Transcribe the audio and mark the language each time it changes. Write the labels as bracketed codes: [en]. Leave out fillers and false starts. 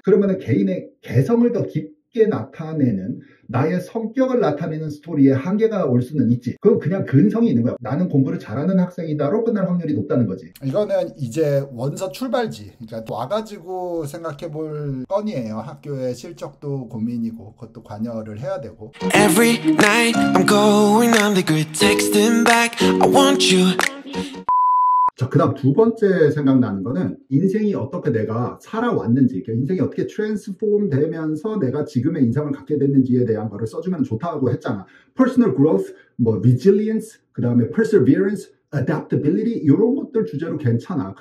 [ko] 그러면은 개인의 개성을 더 깊게 나타내는, 나의 성격을 나타내는 스토리에 한계가 올 수는 있지. 그건 그냥 근성이 있는 거야. 나는 공부를 잘하는 학생이다로 끝날 확률이 높다는 거지. 이거는 이제 원서 출발지. 그러니까 와가지고 생각해 볼 건이에요. 학교의 실적도 고민이고, 그것도 관여를 해야 되고. [en] Every night I'm going on the grid, texting back, I want you. [ko] 자, 그 다음 두 번째 생각나는 거는 인생이 어떻게 내가 살아왔는지, 그러니까 인생이 어떻게 트랜스폼 되면서 내가 지금의 인상을 갖게 됐는지에 대한 거를 써주면 좋다고 했잖아. Personal growth, 뭐 resilience, 그 다음에 perseverance, adaptability, 이런 것들 주제로 괜찮아.